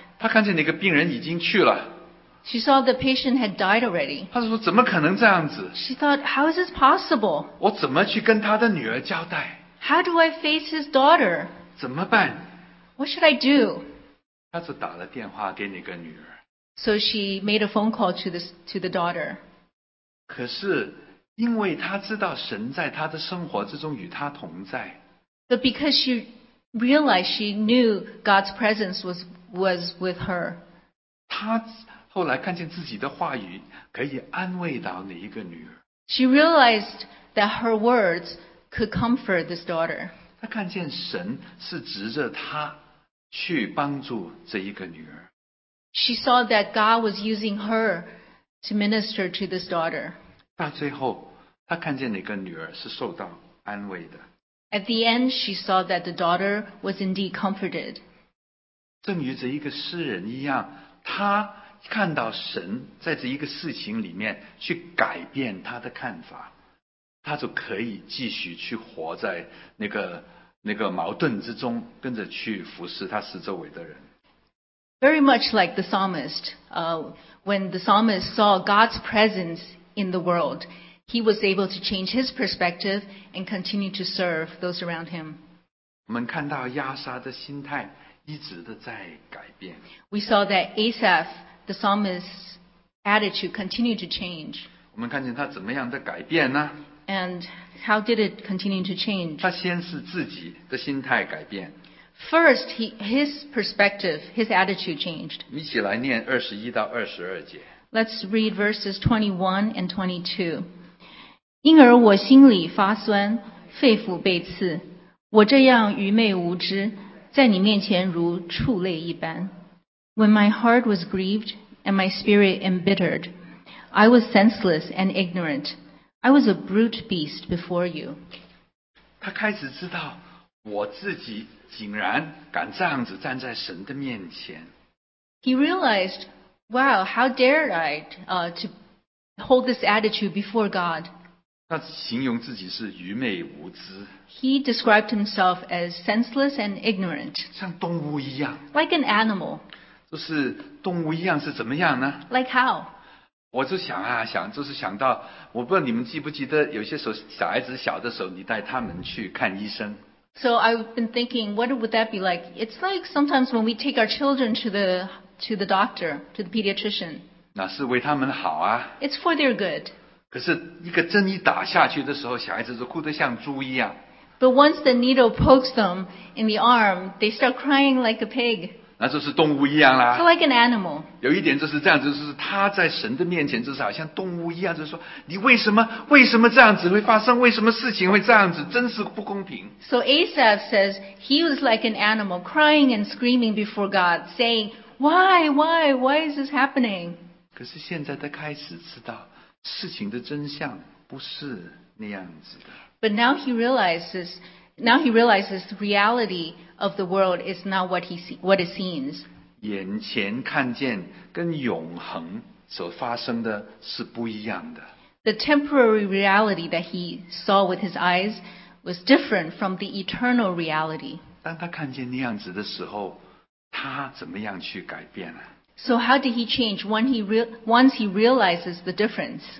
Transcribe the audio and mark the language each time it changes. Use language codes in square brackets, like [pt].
[zh] 他看见那个病人已经去了。 [en] She saw the patient had died already. [zh] 他说，怎么可能这样子？ [en] She thought, how is this possible? [zh] 我怎么去跟他的女儿交代？ [en] How do I face his daughter? [zh] 怎么办？ [en] What should I do? [zh] 他就打了电话给那个女儿。 [en] So she made a phone call to the daughter. [zh] 可是因为他知道神在他的生活之中与他同在。 [en] But because she realized she knew God's presence was with her. [zh] 他后来看见自己的话语可以安慰到那一个女儿。 [en] She realized that her words could comfort this daughter. [zh] 他看见神是指着他去帮助这一个女儿。 [en] She saw that God was using her to minister to this daughter. [zh] 到最后她看见那个女儿是受到安慰的。 [en] At the end, she saw that the daughter was indeed comforted. [zh] 正如这一个诗人一样，她看到神在这一个事情里面去改变她的看法，她就可以继续去活在那个矛盾之中，跟着去服侍她四周围的人。 [en] Very much like the psalmist, when the psalmist saw God's presence in the world, he was able to change his perspective and continue to serve those around him. [zh] 我们看到亚撒的心态一直的在改变。 [en] We saw that Asaph, the psalmist's attitude, continued to change. [zh] 我们看见他怎么样的改变呢？ [en] And how did it continue to change? [zh] 他先是自己的心态改变。 [en] First, his perspective, his attitude changed. [zh] 一起来念21到22节。 [en] Let's read verses 21 and 22. [zh] 因而我心里发酸，肺腑被刺，我这样愚昧无知，在你面前如畜类一般。 [en] When my heart was grieved and my spirit embittered, I was senseless and ignorant. I was a brute beast before you. [zh] 他开始知道我自己竟然敢这样子站在神的面前。 [en] He realized, wow, how dare I to hold this attitude before God? [zh] 他形容自己是愚昧无知。 [en] He described himself as senseless and ignorant. [zh] 像动物一样。 [en] Like an animal. [zh] 就是动物一样是怎么样呢？ [en] Like how? [zh] 我就想啊，想就是想到，我不知道你们记不记得，有些时候小孩子小的时候，你带他们去看医生。 [en] So I've been thinking, what would that be like? It's like sometimes when we take our children to the doctor, to the pediatrician. [zh] 那是为他们好啊。 [en] It's for their good. [zh] 可是一个针一打下去的时候，小孩子就哭得像猪一样。 [en] But once the needle pokes them in the arm, they start crying like a pig. [zh] 那就是动物一样啦。 [en] So like an animal. [zh] 有一点就是这样子，就是他在神的面前就是好像动物一样，就是说你为什么这样子会发生，为什么事情会这样子，真是不公平。 [en] So Asaph says he was like an animal, crying and screaming before God, saying, why is this happening? [zh] 可是现在他开始知道事情的真相不是那样子的。 [en] But now he realizes the reality of the world is not what it seems. [zh] 眼前看见跟永恒所发生的是不一样的。 [en] The temporary reality that he saw with his eyes was different from the eternal reality. [zh] 当他看见那样子的时候，他怎么样去改变呢？ [en] So how did he change once he realizes the difference?